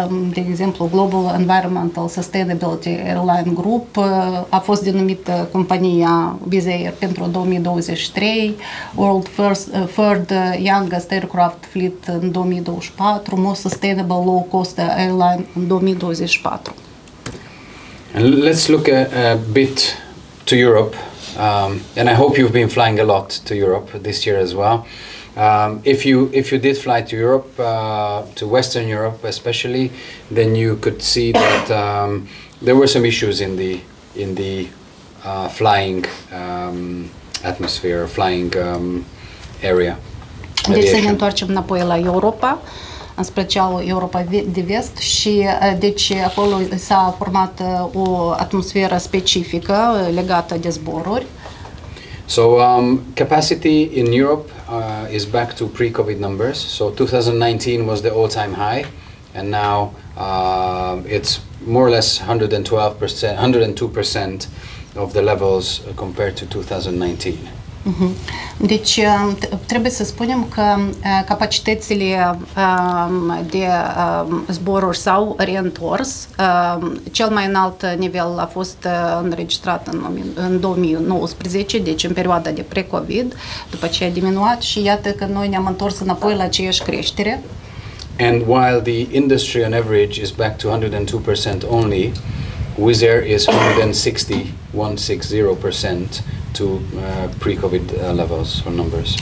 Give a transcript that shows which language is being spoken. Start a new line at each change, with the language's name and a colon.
Romanian: de exemplu, Global Environmental Sustainability Airline Group a fost denumită compania Wizz Air pentru 2023, World Third Youngest Aircraft Fleet în 2024, Most Sustainable Low Cost Airline în 2024.
English: And let's look a bit to Europe, and I hope you've been flying a lot to Europe this year as well. If you did fly to Europe, to Western Europe especially, then you could see that there were some issues in the flying atmosphere, flying area.
Romanian: Deci să ne întoarcem înapoi la Europa, în special Europa de vest, și deci acolo s-a format o atmosferă specifică legată de zboruri.
English: So capacity in Europe is back to pre-COVID numbers. So 2019 was the all-time high, and now it's more or less 112%, 102% of the levels compared to 2019. Mm-hmm.
Romanian: Deci trebuie să spunem că capacitățile de zboruri s-au reîntors. Cel mai înalt nivel a fost înregistrat în 2019, deci în perioada de pre-COVID, după ce a diminuat, și iată că noi ne-am întors înapoi la aceeași creștere.
English: And while the industry on average is back to 102% only, Wizz Air is 160% to pre-COVID levels or numbers.